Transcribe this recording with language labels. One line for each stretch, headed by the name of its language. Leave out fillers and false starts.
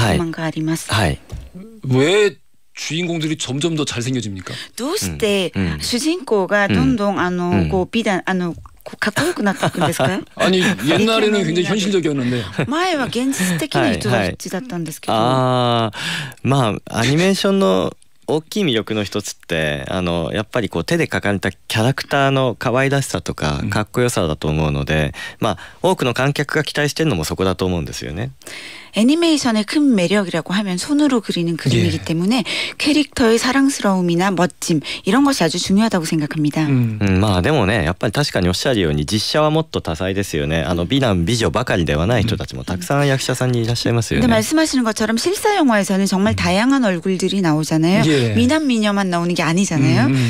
Japanese: 今まで変わるべきものは変わってそうじゃないものも保っていて、すごく良かったと思うんですけど、一個だけ不満があります。はい。
Korean: 왜 주인공들이 점점 더 잘생겨집니까?
Japanese: どうして主人公がどんどんかっこよくなっていくんですか?
Korean: 아니 옛날에는 굉장히 현실적이었는데.
Japanese: 前は現実的な人たちだったんですけど。ああ、まあアニメーションの大きい魅力の一つって、やっぱり手で描かれたキャラクターのかわいらしさとかかっこよさだと思うので、多くの観客が期待してるのもそこだと思うんですよね。
Korean: 애니메이션의 큰 매력이라고 하면 손으로 그리는 그림이기 때문에 캐릭터의 사랑스러움이나 멋짐 이런 것이 아주 중요하다고 생각합니다.
Japanese: まあでもね、やっぱり確かにおっしゃるように実写はもっと多彩ですよね。美男美女ばかりではない人たちもたくさん役者さんにいらっしゃいますよね。
Korean: 근데 말씀하시는 것처럼 실사 영화에서는 정말 다양한 얼굴들이 나오잖아요. 미남 미녀만 나오는 게 아니잖아요.